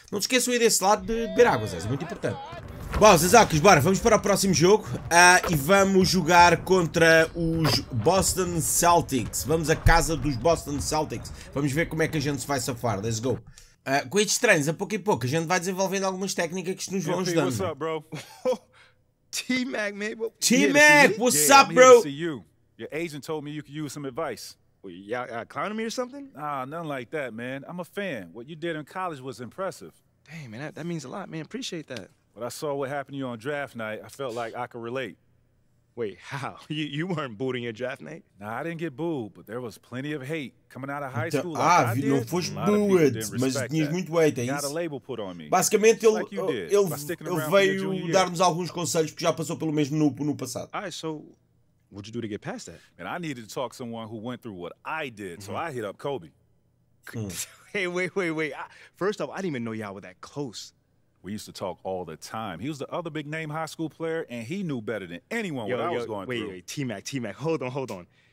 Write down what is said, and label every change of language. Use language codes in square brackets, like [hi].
[pt] Não te esqueçam aí desse lado de beber água, Zé, é muito importante. Bom, Zezakos, bora, vamos para o próximo jogo. E vamos jogar contra os Boston Celtics. Vamos à casa dos Boston Celtics. Vamos ver como é que a gente se vai safar, [en] let's go. [pt] Com estes treinos, a pouco e pouco, a gente vai desenvolvendo algumas técnicas que nos vão ajudando. [en] What's up, bro? T-Mac, man. T-Mac, what's up, bro? Your agent told me you could use some advice. Y'all clowning me or something? Nah, nothing like that, man. I'm a fan. What you did in college was impressive. Damn, man, that means a lot, man. Appreciate that. When I saw what happened to you on draft night, I felt like I could relate. Wait, how? You weren't booed in your draft night? Nah, I didn't get booed, but there was plenty of hate coming out of high school. Like ah, I [pt] não foste booed, mas tinhas muito hate, é isso? [en] Got a label put on me. [pt] Basicamente, ele veio dar-nos alguns conselhos porque já passou pelo mesmo no passado. [en] All right, so... What'd you do to get past that? Man, I needed to talk to someone who went through what I did, so I hit up Kobe. Hey, wait. First off, I didn't even know y'all were that close. We used to talk all the time. He was the other big name high school player, and he knew better than anyone what I was going through. T-Mac, hold on.